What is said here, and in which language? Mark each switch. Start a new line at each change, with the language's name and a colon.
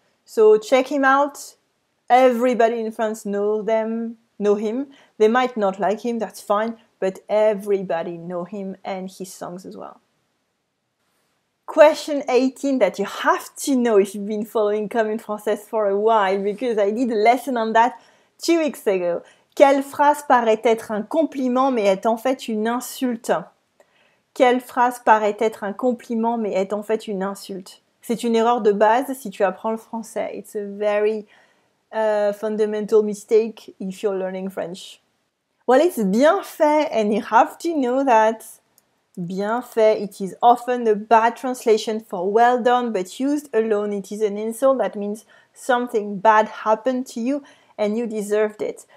English: So check him out. Everybody in France know him. They might not like him, that's fine. But everybody know him and his songs as well. Question 18 that you have to know if you've been following Comme une Française for a while, because I did a lesson on that 2 weeks ago.
French: Quelle phrase paraît être un compliment mais est en fait une insulte? Quelle phrase paraît être un compliment mais est en fait une insulte? C'est une erreur de base si tu apprends le français.
English: It's a very fundamental mistake if you're learning French. Well, it's bien fait, and you have to know that. Bien fait, it is often a bad translation for well done, but used alone, it is an insult that means something bad happened to you and you deserved it.